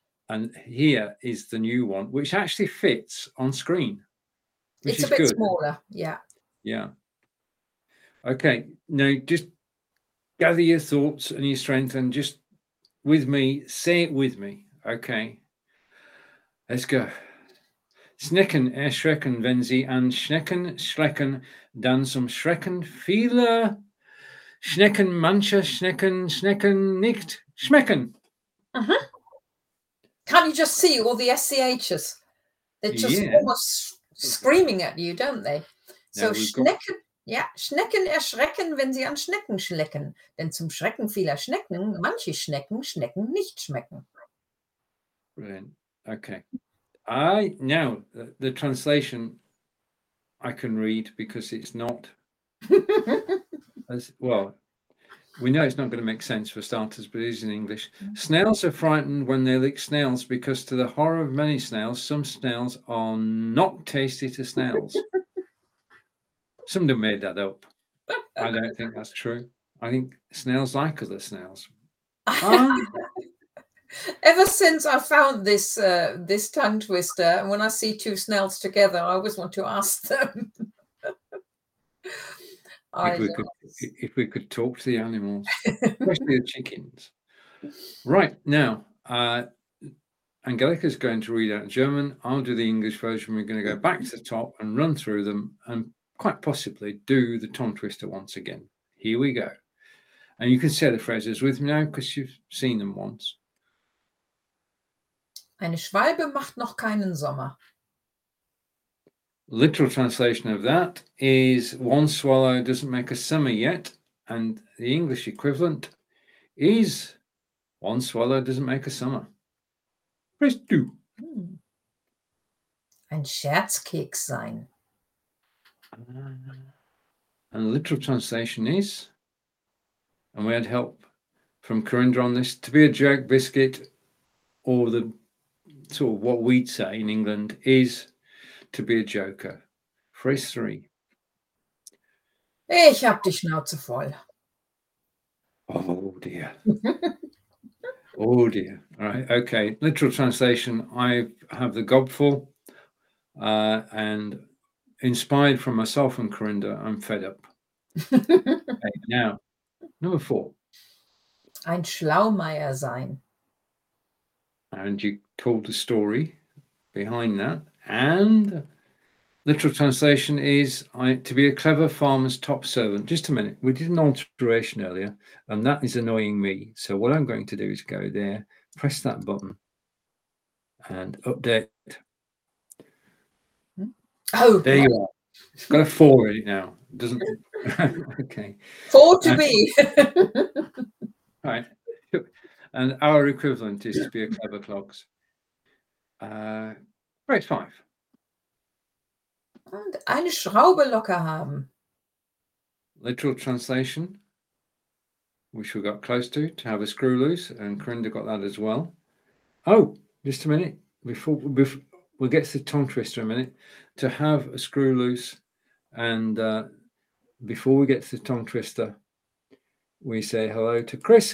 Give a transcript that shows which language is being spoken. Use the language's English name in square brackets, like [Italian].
[English] And here is the new one, which actually fits on screen. It's a bit good. Smaller. Yeah. Yeah. Okay. Now, just gather your thoughts and your strength and just with me, say it with me. Okay, let's go. [German] Snecken erschrecken, wenn sie an Schnecken schrecken, dann zum Schrecken viele Schnecken manche Schnecken nicht schmecken. [English] Uh-huh. Can't you just see all the SCHs? They're just almost screaming at you, don't they? [German] So Schnecken, Schnecken erschrecken, wenn sie an Schnecken schlecken, denn zum Schrecken vieler Schnecken manche Schnecken nicht schmecken. [English] Brilliant. Okay. Now the translation I can read because it's not as well. We know it's not going to make sense for starters, but it is in English. Mm-hmm. Snails are frightened when they lick snails because, to the horror of many snails, some snails are not tasty to snails. Somebody made that up. I don't think that's true. I think snails like other snails. Ever since I found this this tongue twister, and when I see two snails together, I always want to ask them. if we could talk to the animals, especially the chickens. Right, now, Angelica's going to read out German. I'll do the English version. We're going to go back to the top and run through them and quite possibly do the tongue twister once again. Here we go. And you can say the phrases with me now because you've seen them once. [German] Eine Schwalbe macht noch keinen Sommer. [English] Literal translation of that is one swallow doesn't make a summer yet. And the English equivalent is one swallow doesn't make a summer. Press two. [German] Ein Scherzkeks sein. [English] And the literal translation is, and we had help from Corinda on this, to be a jerk biscuit, or the sort of what we'd say in England is to be a joker. Phrase three. [German] Ich hab die Schnauze voll. [English] Oh dear. Oh dear. All right. Okay. Literal translation. I have the gob full. And inspired from myself and Corinda, I'm fed up. Okay, now, number four. [German] Ein Schlaumeier sein. [English] And you told the story behind that. And literal translation is to be a clever farmer's top servant. Just a minute. We did an alteration earlier, and that is annoying me. So what I'm going to do is go there, press that button, and update. Oh, there you are. It's got a four in it now. It doesn't. Okay. Four to be. Right. And our equivalent is to be a clever clogs. Phrase five. [German] And eine Schraube locker haben. [English] Literal translation, which we got close to have a screw loose, and Corinda got that as well. Oh, just a minute. Before we get to the tongue twister a minute, to have a screw loose, and before we get to the tongue twister, we say hello to Chris.